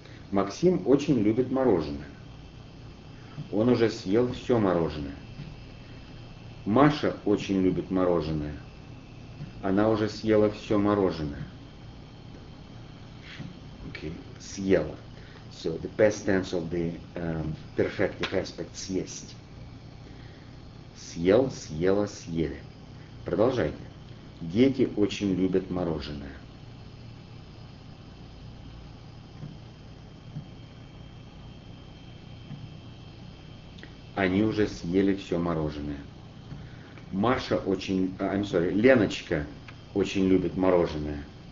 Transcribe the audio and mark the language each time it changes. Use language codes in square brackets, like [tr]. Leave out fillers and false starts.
[ru] Максим очень любит мороженое. Он уже съел все мороженое. Маша очень любит мороженое. Она уже съела все мороженое. Окей. Съела. [en] So the past tense of the perfective aspect съесть. [ru] Съел, съела, съели. Продолжайте. Дети очень любят мороженое. Они уже съели все мороженое. Маша очень, [en] I'm sorry, [ru] Леночка очень любит мороженое.